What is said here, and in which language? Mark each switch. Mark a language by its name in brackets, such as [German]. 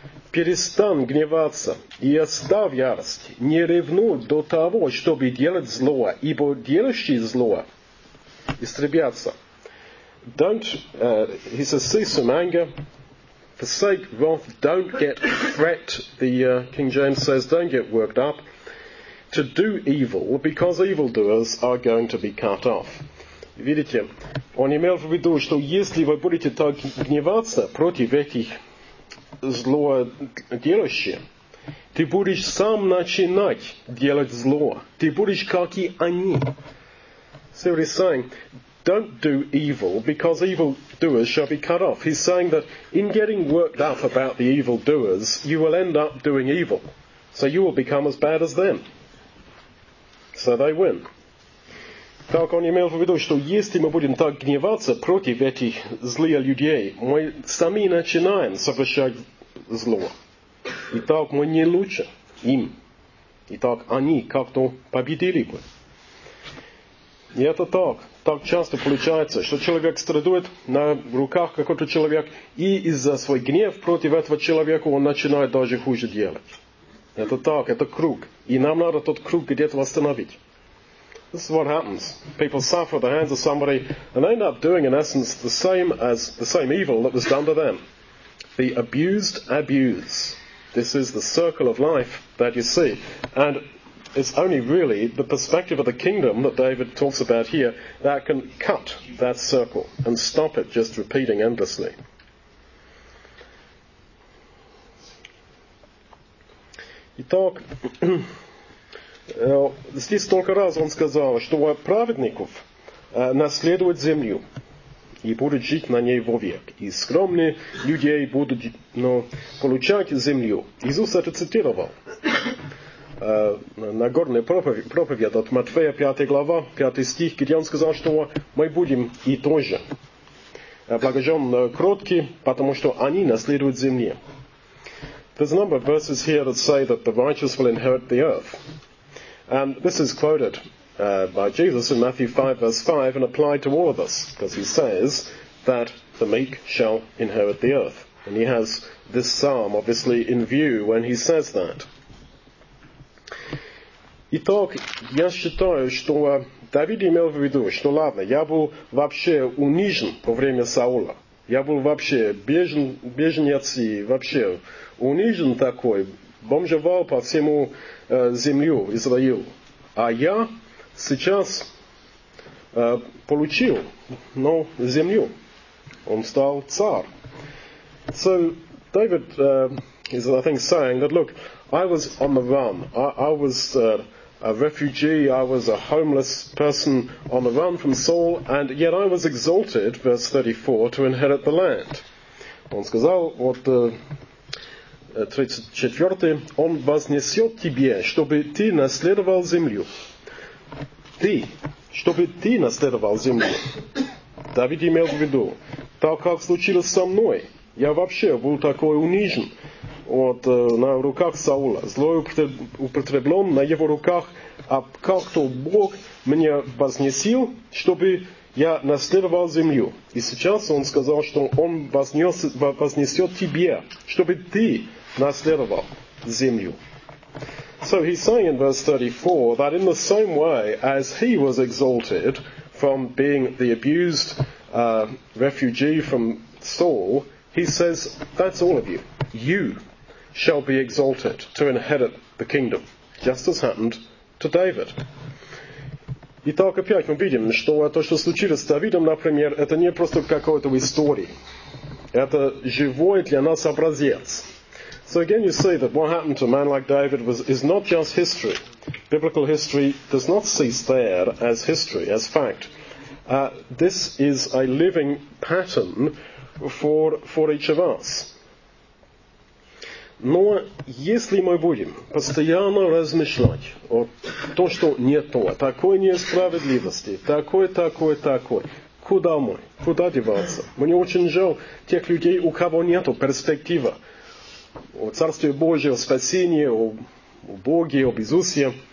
[Russian] Перестань гневаться и оставь ярость, не ревнуй до того, чтобы делать зло, ибо делающие зло истребятся. [English] Don't, he says, cease from anger, forsake wrath, don't get fret, the King James says, don't get worked up, to do evil, because evildoers are going to be cut off. [Russian] Видите, он имел в виду, что если вы будете так гневаться против этих злоделающих, ты будешь сам начинать делать зло. Ты будешь, как и они. [English] So he's saying, don't do evil, because evildoers shall be cut off. He's saying that in getting worked up about the evildoers, you will end up doing evil. So you will become as bad as them. So they win. [Russian] Так он имел в виду, что если мы будем так гневаться против этих злых людей, мы сами начинаем совершать зло. Итак, мы не лучше им. Итак, они как-то победили бы. И это так. Так часто получается, что человек страдает на руках какой-то человек, и из-за свой гнев против этого человека он начинает даже хуже делать. Это так, это круг. И нам надо тот круг где-то восстановить. [English] This is what happens. People suffer at the hands of somebody and they end up doing, in essence, the same evil that was done to them. The abused abuse. This is the circle of life that you see. And it's only really the perspective of the kingdom that David talks about here that can cut that circle and stop it just repeating endlessly. [Russian] Итак, здесь только раз он сказал, что праведников наследуют землю и будут жить на ней вовек. И скромные людей будут получать землю. Иисус это цитировал на горной проповеди от Матфея, 5 глава, 5 стих, где он сказал, что мы будем и тоже благожённо кротки, потому что они наследуют землю. [English] There's a number of verses here that say that the righteous will inherit the earth. And this is quoted by Jesus in Matthew 5, verse 5, and applied to all of us, because he says that the meek shall inherit the earth. And he has this psalm, obviously, in view when he says that. [Russian] Итак, я считаю, что Давид имел в виду, что ладно, я был вообще унижен во время Саула. Я был вообще беженец и вообще унижен такой, бомжевал по всему землю Израилю. А я сейчас получил землю. Он стал царь. [English] So David is, I think, saying that, look, I was on the run. I was a refugee. I was a homeless person on the run from Saul. And yet I was exalted, verse 34, to inherit the land. [Russian] Он сказал, вот 34-й, он вознесет тебе, чтобы ты наследовал землю. Ты, чтобы ты наследовал землю. Давид имел в виду, так как случилось со мной, я вообще был такой унижен на руках Саула, злой употреблен на его руках, а как-то Бог меня вознесил, чтобы я наследовал землю. И сейчас он сказал, что он вознесет тебе, чтобы ты наследовал землю. [English] So he's saying in verse 34 that in the same way as he was exalted from being the abused refugee from Saul, he says, that's all of you. You shall be exalted to inherit the kingdom, just as happened to David. [Russian] Итак, опять мы видим, что то, что случилось с Давидом, например, это не просто какой-то истории. Это живой для нас образец. [English] So again you see that what happened to a man like David is not just history. Biblical history does not cease there as history, as fact. This is a living pattern for each of us. [Russian] Но если мы будем постоянно размышлять о том, что нет того, такой несправедливости, такой, куда мы, куда деваться? Мне очень жаль тех людей, у кого нет перспективы о Царстве Божьем, о спасении, о Боге, об Иисусе.